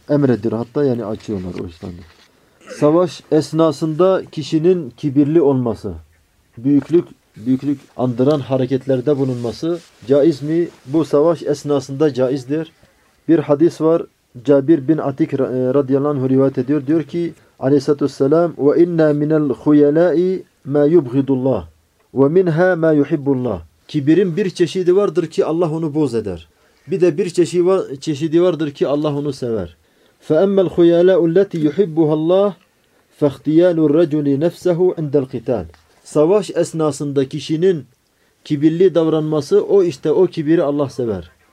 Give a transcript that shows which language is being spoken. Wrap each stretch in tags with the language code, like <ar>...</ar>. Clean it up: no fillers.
<tr>Emrediyor, hatta yani açıyorlar o iftarı. Savaş esnasında kişinin kibirli olması, büyüklük andıran hareketlerde bulunması caiz mi? Bu savaş esnasında caizdir. Bir hadis var, Cabir bin Atik radıyallahu anh rivayet ediyor. Diyor ki aleyhissalatü vesselam,</tr> <ar>وَاِنَّا مِنَ الْخُيَلَاءِ مَا يُبْغِدُ اللّٰهِ وَمِنْهَا مَا يُحِبُّ اللّٰهِ.</ar> <tr>Kibirin bir çeşidi vardır ki Allah onu boz eder. Bir de bir çeşidi vardır ki Allah onu sever.</tr> <ar>فَاَمَّا الْخُيَلَاءُ الَّتِي يُحِبُّهَ اللّٰهِ فَاَخْتِيَالُ الرَّجُلِ نَفْسَهُ عِنْدَ الْقِتَالِ.</ar> <tr>Savaş esnasında kişinin kibirli davranması, o işte o kibiri Allah sever.</tr>